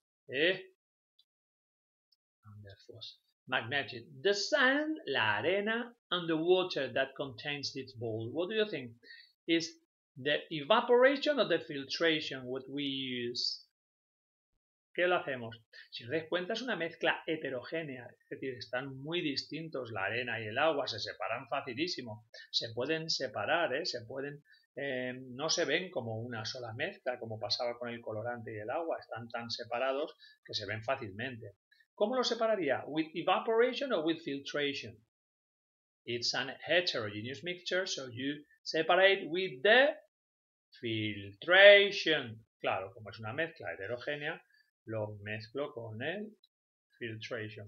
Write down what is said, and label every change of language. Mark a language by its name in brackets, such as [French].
[English] And the force. magnetic. The sand, [Spanish] la arena, [English] and the water that contains this ball. What do you think? Is the evaporation or the filtration what we use? [Spanish] ¿Qué lo hacemos? Si os dais cuenta, es una mezcla heterogénea. Es decir, están muy distintos la arena y el agua. Se separan facilísimo. Se pueden separar, ¿eh? Se pueden... no se ven como una sola mezcla, como pasaba con el colorante y el agua. Están tan separados que se ven fácilmente. ¿Cómo lo separaría? [English] ¿With evaporation or with filtration? It's an heterogeneous mixture, so you separate with the filtration. [Spanish] Claro, como es una mezcla heterogénea, lo mezclo con el filtration.